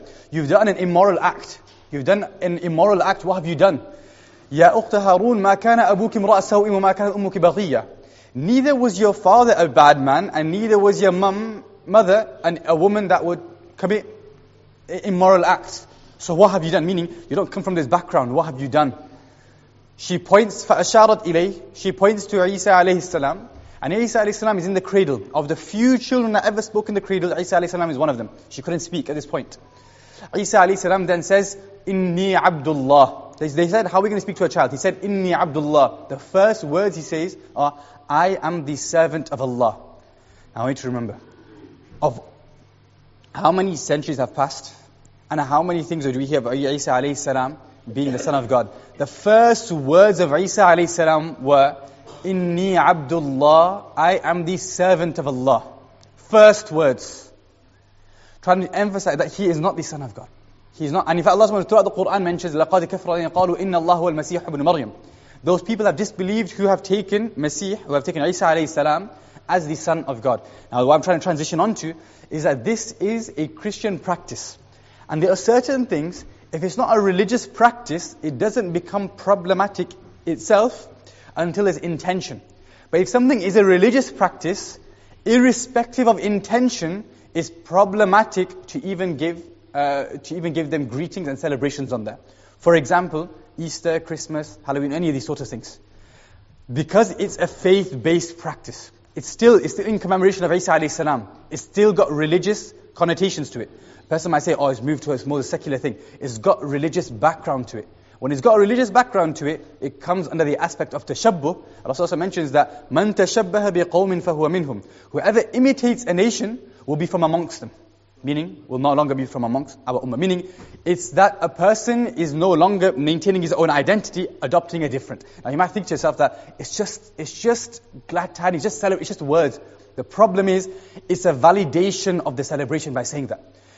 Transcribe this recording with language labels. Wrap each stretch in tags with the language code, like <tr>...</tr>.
<en>You've done an immoral act. You've done an immoral act. What have you done?</en> <ar>يا أخت هارون ما كان أبوك امرأ سوء وما كانت أمك بغية.</ar> <en>Neither was your father a bad man, and neither was your mother a woman that would commit immoral acts. So what have you done? Meaning, you don't come from this background. What have you done? She points,</en> <ar>فَأَشَارَتْ إِلَيْهِ.</ar> <en>She points to Isa alayhi salam. And Isa alayhi salam is in the cradle. Of the few children that ever spoke in the cradle, Isa alayhi salam is one of them. She couldn't speak at this point. Isa alayhi salam then says,</en> <ar>إِنِّي عَبْدُ اللَّهِ.</ar> <en>They said, how are we going to speak to a child? He said,</en> <ar>إِنِّي عَبْدُ اللَّهِ.</ar> <en>The first words he says are, I am the servant of Allah. Now I need to remember, of how many centuries have passed, and how many things would we hear about Isa alayhi salam being the son of God? The first words of Isa alayhi salam were,</en> <ar>Inni Abdullah,</ar> <en>I am the servant of Allah. First words. Trying to emphasize that he is not the son of God. He is not. And in fact, Allah throughout the Quran mentions,</en> <ar>لَقَدْ كَفْرَ لَنْ يَقَالُوا إِنَّ اللَّهُ وَالْمَسِيحُ ابْنُ مَرْيَمُ.</ar> <en>Those people have disbelieved who have taken Masih, who have taken Isa alayhi salam, as the son of God. Now what I'm trying to transition onto is that this is a Christian practice. And there are certain things, if it's not a religious practice, it doesn't become problematic itself until there's intention. But if something is a religious practice, irrespective of intention, it's problematic to even give them greetings and celebrations on that. For example, Easter, Christmas, Halloween, any of these sorts of things. Because it's a faith-based practice, it's still in commemoration of Isa alayhi salam. It's still got religious connotations to it. Person might say, oh, it's moved to a more secular thing. It's got religious background to it. When it's got a religious background to it, it comes under the aspect of tashabbuh. Allah also mentions that,</en> <ar>مَن تَشَبَّهَ بِقَوْمٍ فَهُوَ مِنْهُمْ.</ar> <en>Whoever imitates a nation will be from amongst them. Meaning, will no longer be from amongst our ummah. Meaning, it's that a person is no longer maintaining his own identity, adopting a different. Now you might think to yourself that it's just glad tidings, just celebrate, it's just words. The problem is, it's a validation of the celebration by saying that.</en>